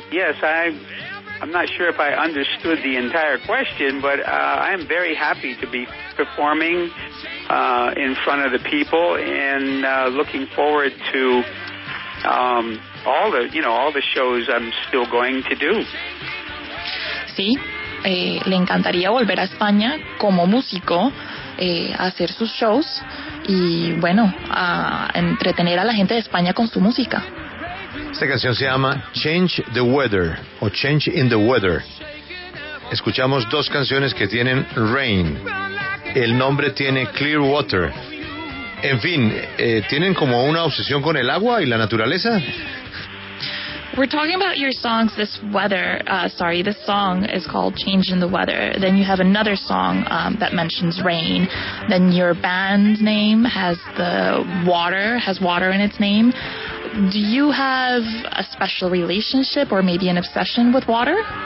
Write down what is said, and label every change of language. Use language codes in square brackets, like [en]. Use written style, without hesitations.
[en] Yes, I'm not sure if I understood the entire question, but I'm very happy to be performing in front of the people, and looking forward to all the shows I'm still going to do. [es] Sí, le encantaría volver a España como músico, hacer sus shows y bueno, a entretener a la gente de España con su música. Esta canción se llama Change the Weather o Change in the Weather. Escuchamos dos canciones que tienen Rain. El nombre tiene Clear Water. En fin, ¿tienen como una obsesión con el agua y la naturaleza? [en] We're talking about your songs, this weather. This song is called Change in the Weather. Then you have another song that mentions rain. Then your band name has water in its name. Do you have a special relationship or maybe an obsession with water?